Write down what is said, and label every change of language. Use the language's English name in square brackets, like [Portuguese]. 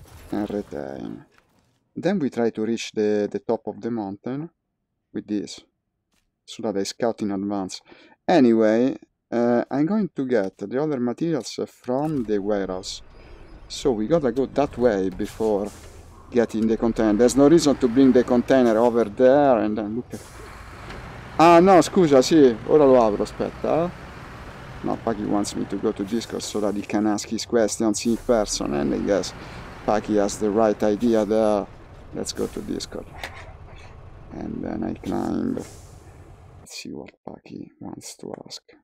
[English] And retain. Then we try to reach the top of the mountain with this, so that I scout in advance. Anyway, I'm going to get the other materials from the warehouse. So we gotta go that way before getting the container. There's no reason to bring the container over there and then look at... [Italian] Ah no, scusa, sì, ora lo apro, aspetta. [English] No, Paki wants me to go to Discord so that he can ask his questions in person, and I guess Paki has the right idea there. Let's go to Discord. And then I climb. Let's see what Paki wants to ask.